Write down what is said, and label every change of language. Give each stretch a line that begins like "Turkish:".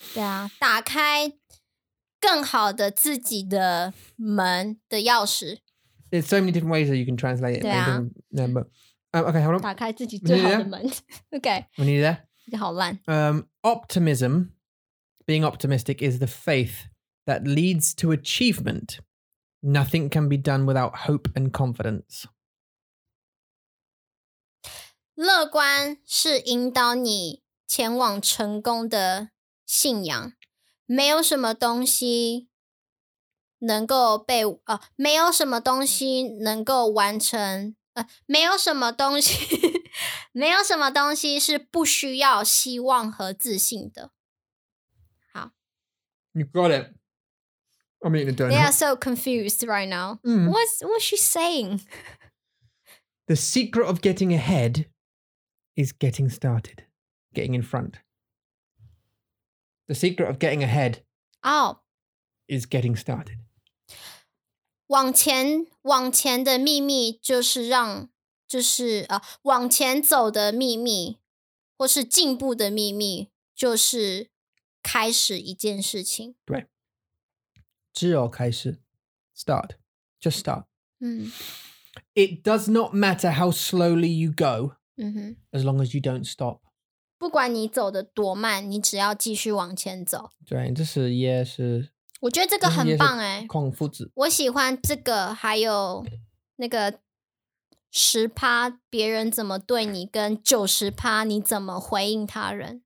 Chinese: 对啊打开更好的自己的门的钥匙
English: There's so many different ways that you can translate it. Yeah. Yeah, but, okay, hold on.
Chinese: 打开自己最好的门.Okay.
English: We need you there.
Chinese: 你好烂.
English: Optimism, being optimistic, is the faith that leads to achievement. Nothing can be done without hope and confidence.
Chinese: 乐观是引导你前往成功的信仰。没有什么东西能够被没有什么东西能够完成没有什么东西没有什么东西是不需要希望和自信的好
English: You got it I'm eating a donut They are so confused right now、 mm. What's she saying? The secret of getting ahead is getting started Getting in front The secret of getting ahead、 oh. is getting started
Chinese: 往前的秘密就是让就是往前走的秘密或是进步的秘密就是开始一件事情对只有开始
English: start just start、嗯、 it does not matter how slowly you go、嗯、 as long as you don't stop
Chinese: 不管你走的多慢你只要继续往前走对这是也是我觉得这个很棒哎、欸，孔夫子，我喜欢这个，还有那个十趴别人怎么对你，跟九十趴你怎么回应他人。